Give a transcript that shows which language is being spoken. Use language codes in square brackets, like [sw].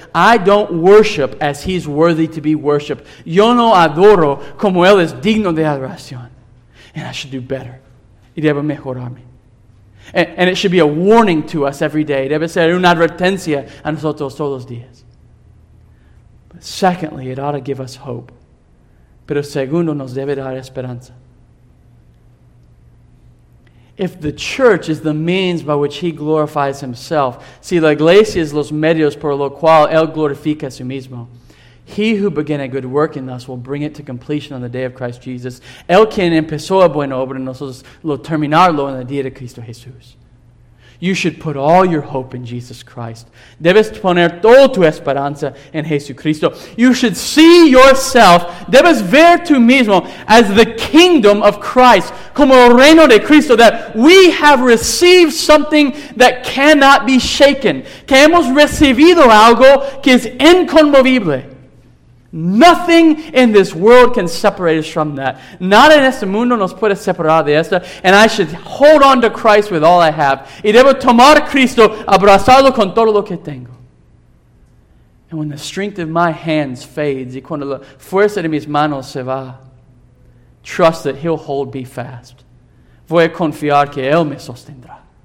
[en] I don't worship as He's worthy to be worshipped. [es] Yo no adoro como Él es digno de adoración. [en] And I should do better. [es] Y debo mejorarme. [en] And it should be a warning to us every day. [es] Debe ser una advertencia a nosotros todos los días. [en] But secondly, it ought to give us hope. [es] Pero segundo, nos debe dar esperanza. [en] If the church is the means by which He glorifies Himself, [es] si la iglesia es los medios por lo cual Él glorifica a sí mismo, [en] He who began a good work in us will bring it to completion on the day of Christ Jesus. [es] El quien empezó a buena obra en nosotros lo terminará en el día de Cristo Jesús. [en] You should put all your hope in Jesus Christ. [es] Debes poner toda tu esperanza en Jesucristo. [en] You should see yourself, [es] debes ver tú mismo, [en] as the kingdom of Christ, [es] como el reino de Cristo, [en] that we have received something that cannot be shaken. [es] Que hemos recibido algo que es inconmovible. [en] Nothing in this world can separate us from that. [es] Nada en este mundo nos puede separar de esta. [en] And I should hold on to Christ with all I have. [es] Y debo tomar Cristo, abrazarlo con todo lo que tengo. [en] And when the strength of my hands fades, [es] y cuando la fuerza de mis manos se va, [en] trust that He'll hold me fast. [es] Voy a confiar que Él me sostendrá.